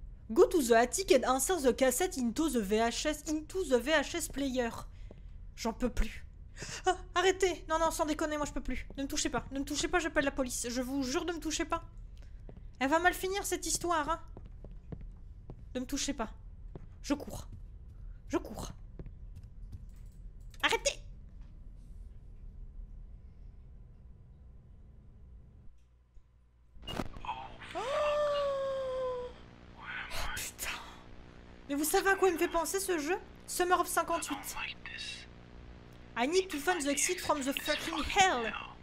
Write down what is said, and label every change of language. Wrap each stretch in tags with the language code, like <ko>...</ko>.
<en>Go to the attic and insert the cassette into the VHS player.</en> <fr>J'en peux plus. Ah, arrêtez! Non, non, sans déconner, moi je peux plus. Ne me touchez pas. Ne me touchez pas, j'appelle la police. Je vous jure, ne me touchez pas. Elle va mal finir cette histoire, hein. Ne me touchez pas. Je cours. Je cours. Arrêtez! Oh, oh putain! Mais vous savez à quoi il me fait penser ce jeu?</fr> <en>Summer of 58. I need to find the exit from the fucking hell!</en>